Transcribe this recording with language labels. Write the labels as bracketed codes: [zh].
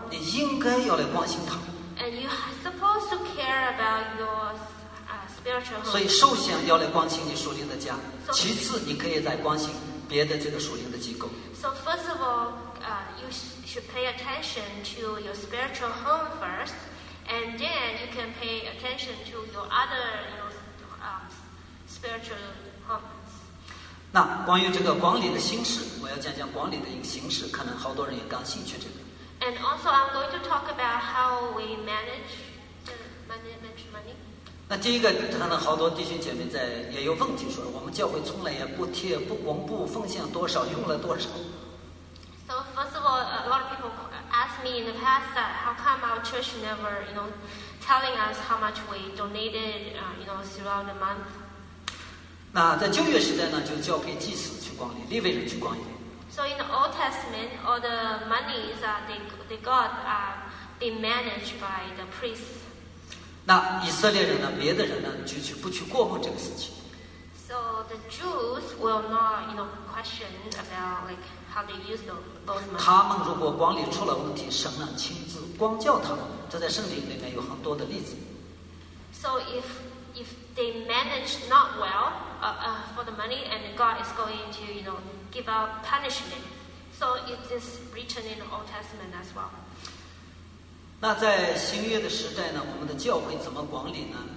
[zh] 你应该要来关心他。 [en] And you are supposed to care about your spiritual home. [zh] 所以首先要来关心你属灵的家，其次你可以再关心别的这个属灵的机构。 [en] So first of all, you should pay attention to your spiritual home first, and then you can pay attention to your other, you know, spiritual homes. [zh] 那关于这个管理的形式，我要讲讲管理的一个形式，可能好多人也感兴趣这个。 [en] And also, I'm going to talk about how we manage money. [zh] 那第一个，可能好多弟兄姐妹在也有问题说，我们教会从来也不贴，不我们不奉献多少，用了多少。 [en] So first of all, a lot of people ask me in the past that how come our church never, you know, telling us how much we donated, you know, throughout the month. [zh] 那在旧约时代呢，就交给祭司去管理，立位人去管理。 [en] So in the Old Testament, all the monies that they got are being managed by the priests. [zh] 那以色列人呢？别的人呢？就去不去过问这个事情 [en] ？So the Jews will not, you know, question about like how they use those money. [zh] 他们如果管理出了问题，神呢亲自光教他们。这在圣经里面有很多的例子。 [en] So if they manage not well, for the money, and God is going to, you know. Give out punishment. So it is written in the Old Testament as well. [zh] 那在新约的时代呢，我们的教会怎么管理呢？